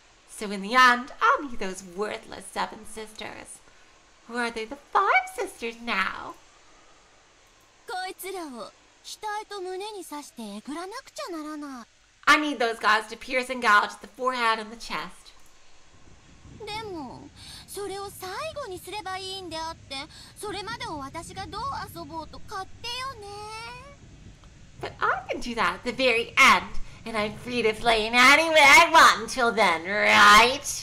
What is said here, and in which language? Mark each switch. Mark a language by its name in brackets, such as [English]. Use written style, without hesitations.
[English] So in the end, I'll meet those worthless seven sisters. Who are they, the five sisters now? [Japanese] こいつらを額と胸に刺してえぐらなくちゃならない。 [English] I need those guys to pierce and gouge the forehead and the chest. [Japanese] でも、それを最後にすればいいんであって、それまでを私がどう遊ぼうと勝手よね。 [English] But I can do that at the very end, and I'm free to play in any way I want until then, right?